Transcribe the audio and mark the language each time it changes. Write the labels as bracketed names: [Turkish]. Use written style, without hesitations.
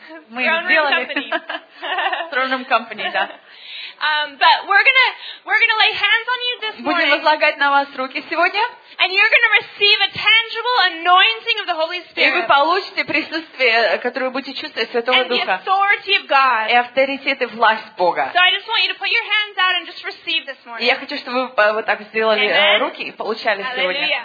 [Russian] Мы сделали. Throne Room Company, да. [English] But we're gonna lay hands on you this morning. [Russian] Будем возлагать на вас руки сегодня. [English] And you're gonna receive a tangible anointing of the Holy Spirit. [Russian] И вы получите присутствие, которое вы будете чувствовать Святого [English] and [Russian] Духа. [English] And the authority of God. [Russian] И авторитет и власть Бога. [English] So I just want you to put your hands out and just receive this morning. [Russian] И я хочу, чтобы вы вот так сделали руки и получали сегодня.